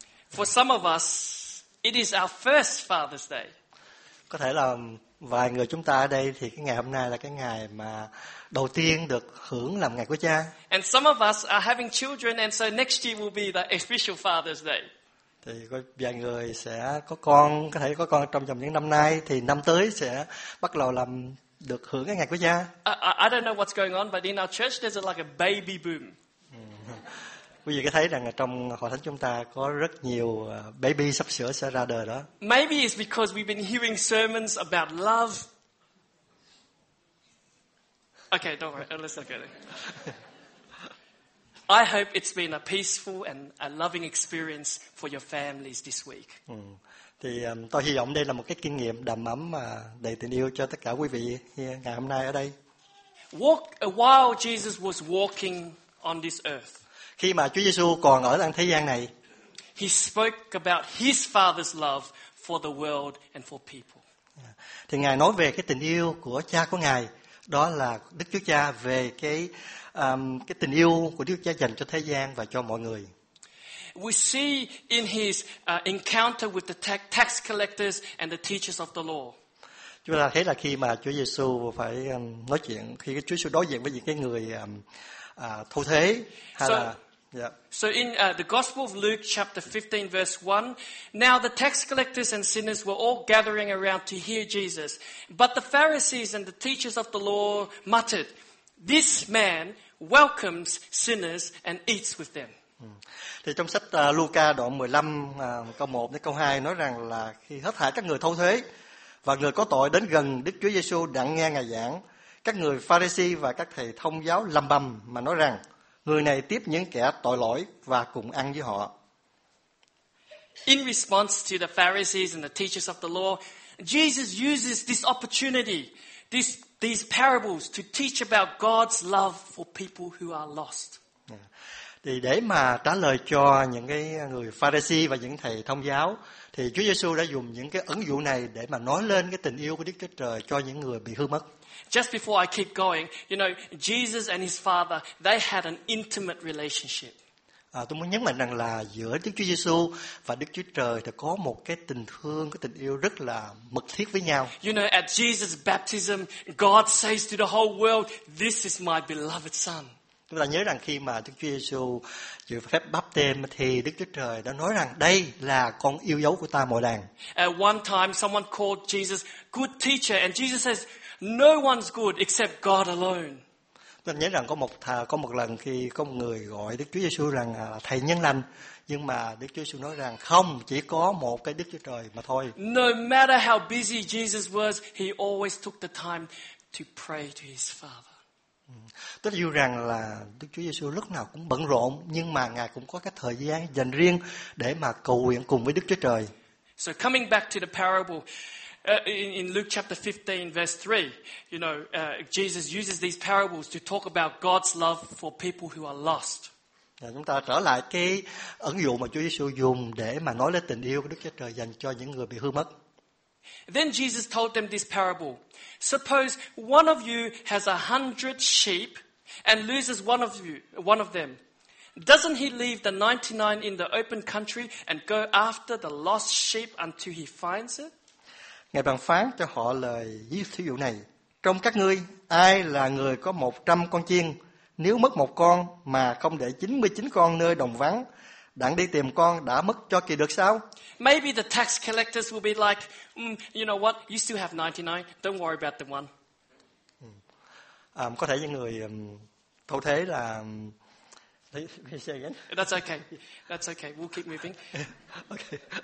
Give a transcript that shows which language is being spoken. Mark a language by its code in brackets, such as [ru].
[en] For some of us, it is our first Father's Day. [vi] Có thể là vài người chúng ta ở đây thì cái ngày hôm nay là cái ngày mà đầu tiên được hưởng làm ngày của cha. [en] And some of us are having children and so next year will be the official Father's Day. [vi] Thì có vài người sẽ có con, có thể có con trong vòng những năm nay thì năm tới sẽ bắt đầu làm được hưởng cái ngày của cha. [en] I don't know what's going on but in our church there's like a baby boom. [vi] Quý vị có thấy rằng trong hội thánh chúng ta có rất nhiều baby sắp sửa sẽ ra đời đó. [en] Maybe it's because we've been hearing sermons about love. Okay, don't worry. Let's not go there. I hope it's been a peaceful and a loving experience for your families this week. [vi] Thì tôi hy vọng đây là một cái kinh nghiệm đầm ấm mà đầy tình yêu cho tất cả quý vị ngày hôm nay ở đây. [en] While Jesus was walking on this earth, [vi] khi mà Chúa Giêsu còn ở trên thế gian này, [en] he spoke about his Father's love for the world and for people. [vi] Thì Ngài nói về cái tình yêu của cha của Ngài, đó là Đức Chúa Cha về cái tình yêu của Đức Chúa Cha dành cho thế gian và cho mọi người. [en] We see in his encounter with the tax collectors and the teachers of the law. [vi] Chúng ta thấy là khi mà Chúa Giêsu phải nói chuyện, khi Chúa Giêsu đối diện với những cái người thu thế hay là [en] So in the Gospel of Luke chapter 15 verse 1, now the tax collectors and sinners were all gathering around to hear Jesus. But the Pharisees and the teachers of the law muttered, "This man welcomes sinners and eats with them." [vi] Thì trong sách Luca đoạn 15 câu 1 đến câu 2 nói rằng là khi hết thảy các người thâu thuế và người có tội đến gần Đức Chúa Giêsu đặng nghe Ngài giảng, các người Pharisee và các thầy thông giáo lầm bầm mà nói rằng người này tiếp những kẻ tội lỗi và cùng ăn với họ. [en] In response to the Pharisees and the teachers of the law, Jesus uses this opportunity, these parables to teach about God's love for people who are lost. [vi] Thì để mà trả lời cho những cái người Pharisee và những thầy thông giáo, thì Chúa Giêsu đã dùng những cái ứng dụ này để mà nói lên cái tình yêu của Đức Chúa Trời cho những người bị hư mất. [en] Just before I keep going, you know, Jesus and his Father, they had an intimate relationship. [vi] Tôi muốn nhấn mạnh rằng là giữa Đức Chúa Giêsu và Đức Chúa Trời thì có một cái tình thương, cái tình yêu rất là mật thiết với nhau. [en] You know, at Jesus' baptism, God says to the whole world, "This is my beloved Son." [vi] Chúng ta nhớ rằng khi mà Đức Chúa Giêsu dự phép báp têm thì Đức Chúa Trời đã nói rằng đây là con yêu dấu của ta mọi đàng. [en] At one time, someone called Jesus good teacher, and Jesus says, "No one's good except God alone." [vi] Nhớ rằng có một lần khi có một người gọi Đức Chúa Giêsu rằng là thầy nhân lành, nhưng mà Đức Chúa Giêsu nói rằng không, chỉ có một cái Đức Chúa Trời mà thôi. [en] No matter how busy Jesus was, he always took the time to pray to his Father. [vi] Tức là dù rằng là Đức Chúa Giêsu lúc nào cũng bận rộn, nhưng mà Ngài cũng có cái thời gian dành riêng để mà cầu nguyện cùng với Đức Chúa Trời. [en] So coming back to the parable, in Luke chapter 15 verse 3, you know, Jesus uses these parables to talk about God's love for people who are lost. [vi] Chúng ta trở lại cái ứng dụ mà Chúa Giêsu dùng để mà nói lên tình yêu của Đức Chúa Trời dành cho những người bị hư mất. [en] Then Jesus told them this parable. Suppose one of you has 100 sheep and loses one of them. Doesn't he leave the 99 in the open country and go after the lost sheep until he finds it? [vi] Ngài bàn phán cho họ lời ví dụ này: trong các ngươi, ai là người có 100 con chiên, nếu mất một con mà không để 99 con nơi đồng vắng, đặng đi tìm con đã mất cho kỳ được sao? [en] Maybe the tax collectors will be like, you know what, you still have 99, don't worry about the one. [vi] Có thể những người thâu thuế là... [en] That's okay, we'll keep moving. Okay.